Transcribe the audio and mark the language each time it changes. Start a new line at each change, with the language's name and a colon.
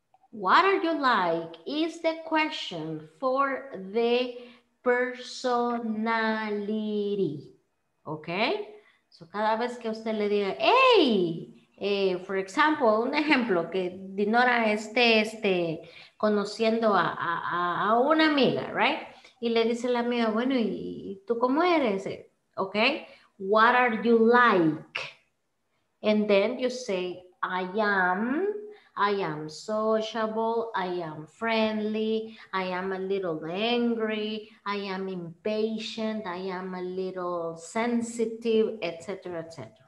English: What are you like is the question for the personality. Okay?
Spanish: So cada vez que usted le diga, hey,
English: for example,
Spanish: un ejemplo que Dinora esté conociendo a una amiga, right? Y le dice la amiga, bueno, ¿y tú cómo eres?
English: Okay? What are you like? And then you say, I am sociable, I am friendly, I am a little angry, I am impatient, I am a little sensitive, etc., etc.